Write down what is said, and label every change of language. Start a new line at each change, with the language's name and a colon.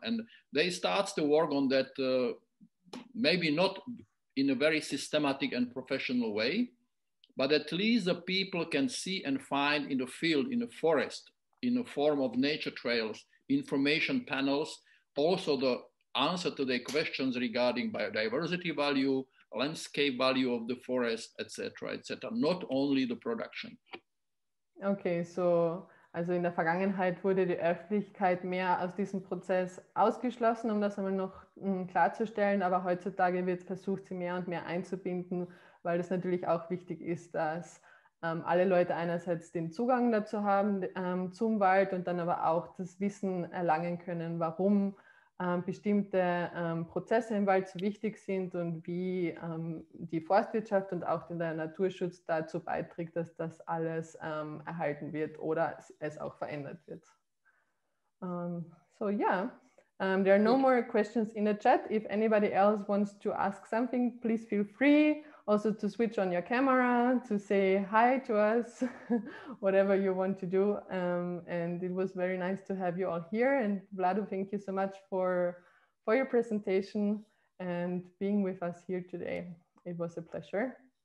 English: And they start to work on that, maybe not in a very systematic and professional way, but at least the people can see and find in the field, in the forest, in the form of nature trails, information panels, also the answer to their questions regarding biodiversity value, landscape value of the forest, etc., etc., not only the production.
German: Okay, so also in der Vergangenheit wurde die Öffentlichkeit mehr aus diesem Prozess ausgeschlossen, um das einmal noch klarzustellen, aber heutzutage wird versucht, sie mehr und mehr einzubinden, weil es natürlich auch wichtig ist, dass alle Leute einerseits den Zugang dazu haben zum Wald und dann aber auch das Wissen erlangen können, warum bestimmte Prozesse im Wald so wichtig sind und wie die Forstwirtschaft und auch der Naturschutz dazu beiträgt, dass das alles erhalten wird oder es auch verändert wird.
English: There are no more questions in the chat. If anybody else wants to ask something, please feel free also to switch on your camera, to say hi to us, whatever you want to do. And it was very nice to have you all here. And Vlado, thank you so much for your presentation and being with us here today. It was a pleasure.